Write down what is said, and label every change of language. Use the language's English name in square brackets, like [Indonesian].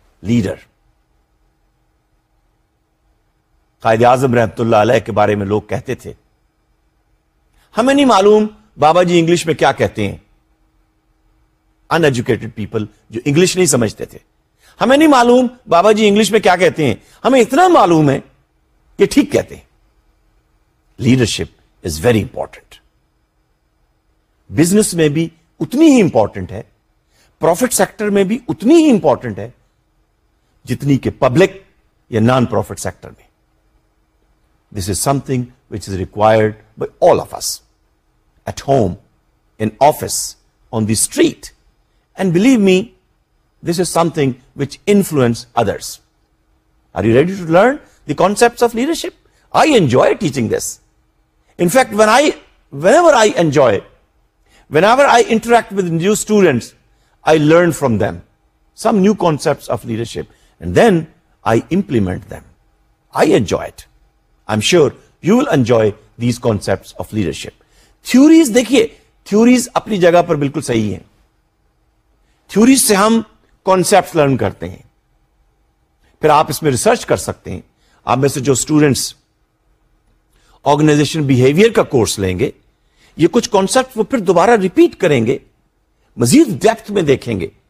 [Urdu] Leader, Quaid Azam رحمت اللہ علیہ کے بارے میں لوگ کہتے تھے, ہمیں نہیں معلوم بابا جی انگلش میں کیا کہتے ہیں, ان ایجوکیٹڈ پیپل جو انگلش نہیں سمجھتے تھے, ہمیں نہیں معلوم بابا جی انگلش میں کیا کہتے ہیں, ہمیں اتنا معلوم ہے ٹھیک کہتے ہیں. [English] leadership is very important, [Urdu] business میں بھی اتنی ہی امپورٹنٹ ہے, پروفٹ سیکٹر میں بھی اتنی ہی امپورٹنٹ ہے جتنی کہ پبلک یا نان پروفٹ سیکٹر میں. [English] This is something which is required by all of us at home, in office, on the street, and believe me this is something which influence others. Are you ready to learn the concepts of leadership? I enjoy teaching this. In fact, whenever I interact with new students, I learn from them some new concepts of leadership and then I implement them. I enjoy it. I'm sure you will enjoy these concepts of leadership. [Urdu] Theories دیکھیے، theories اپنی جگہ پر بالکل صحیح ہیں، theories سے ہم concept learn کرتے ہیں، پھر آپ اس میں ریسرچ کر سکتے ہیں. آپ میں سے جو اسٹوڈینٹس آرگنائزیشن بیہیویئر کا کورس لیں گے، یہ کچھ کانسیپٹ وہ پھر دوبارہ ریپیٹ کریں گے، مزید ڈیپتھ میں دیکھیں گے.